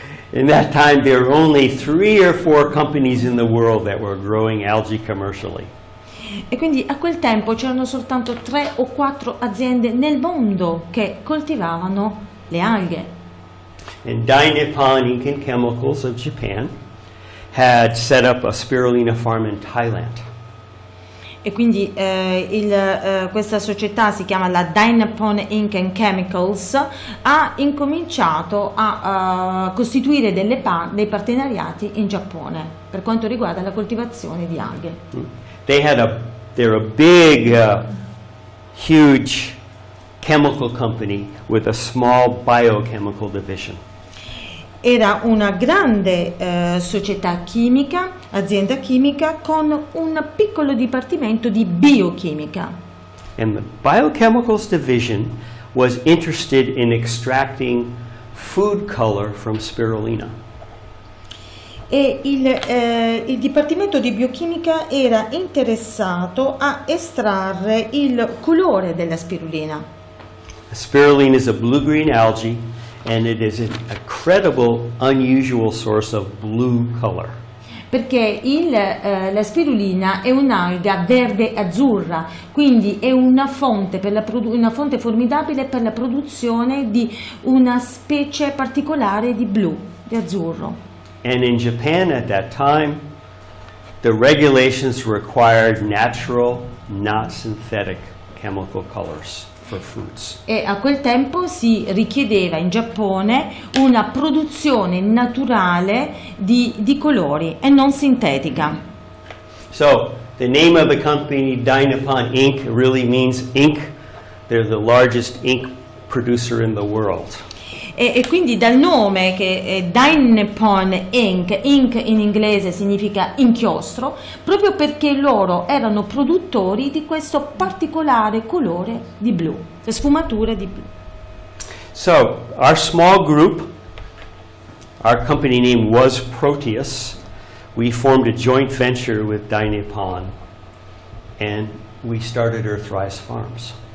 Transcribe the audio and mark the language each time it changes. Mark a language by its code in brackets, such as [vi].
[en] In that time there were only 3 or 4 companies in the world that were growing algae commercially. [it] E quindi a quel tempo c'erano soltanto 3 o 4 aziende nel mondo che coltivavano le alghe. [en] And Dynippon Inc. and Chemicals of Japan had set up a spirulina farm in Thailand. [it] E quindi questa società si chiama la Dynippon Inc. and Chemicals, ha incominciato a costituire dei partenariati in Giappone per quanto riguarda la coltivazione di alghe. [en] They had they're a big, huge chemical company with a small biochemical division. [it] Era una grande società chimica, azienda chimica, con un piccolo dipartimento di biochimica. [en] And the biochemicals division was interested in extracting food color from spirulina. [it] E il dipartimento di biochimica era interessato a estrarre il colore della spirulina. [en] Spirulina is a blue-green algae. And it is an incredible, unusual source of blue color. [it] Perché la spirulina è un'alga verde azzurra, quindi è una fonte formidabile per la produzione di una specie particolare di blu, di azzurro. [en] And in Japan at that time, the regulations required natural, not synthetic chemical colors. [it] E a quel tempo si richiedeva in Giappone una produzione naturale di colori e non sintetica. [en] So, the name of the company, Dynippon Inc., really means ink. They're the largest ink producer in the world. [it] E quindi dal nome che è Dynippon Inc., ink in inglese significa inchiostro, proprio perché loro erano produttori di questo particolare colore di blu, sfumatura di blu. [en] So, our small group, our company name was Proteus, we formed a joint venture with Dynippon and we started Earthrise Farms.